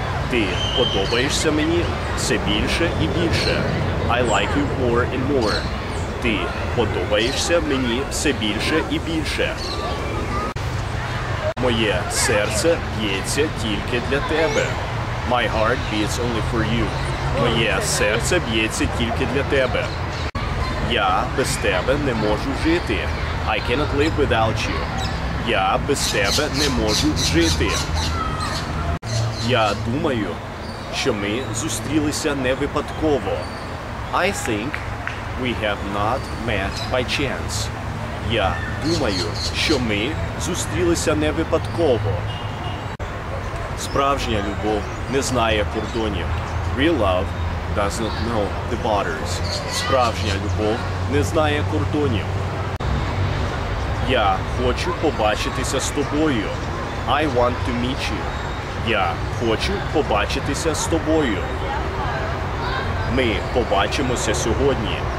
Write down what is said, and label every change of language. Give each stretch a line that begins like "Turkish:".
Ukrainian: Ти подобаєшся мені все більше і більше.
English: I like you more and more.
Ukrainian: Ти подобаєшся мені все більше і більше. Моє серце б'ється тільки для тебе.
English: My heart beats only for you.
Ukrainian: Моє серце б'ється тільки для тебе. Я без тебе не можу жити.
English: I cannot live without you.
Ukrainian: Я без тебе не можу жити. Я думаю, що ми зустрілися не випадково.
English: I think we have not met by chance.
Ukrainian: Я думаю, що ми зустрілися не випадково. Справжня любов не знає кордонів.
English: Real love does not know the borders.
Ukrainian: Справжня любов не знає кордонів. Я хочу побачитися з тобою.
English: I want to meet you.
Ukrainian: Я хочу побачитися з тобою. Ми побачимося сьогодні.